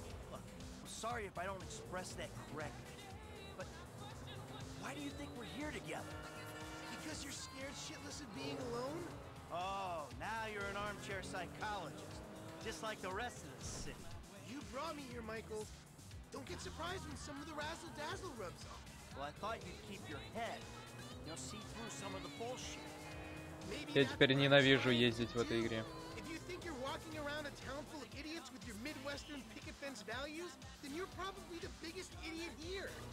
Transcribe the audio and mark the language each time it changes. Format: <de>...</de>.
<en>Look, I'm sorry if I don't express that correctly. But why do you think we're here together? Because you're scared shitless of being alone? Oh, now you're an armchair psychologist. Just like the rest of the city. You brought me here, Michael. Don't get surprised when some of the razzle-dazzle rubs off. Well, I thought you'd keep your head. You'll see through some of the bullshit.</en> <ru>Я теперь ненавижу ездить в этой игре.</ru> <en>If you think you're walking around a town full of idiots with your Midwestern picket fence values, then you're probably the biggest idiot here.</en>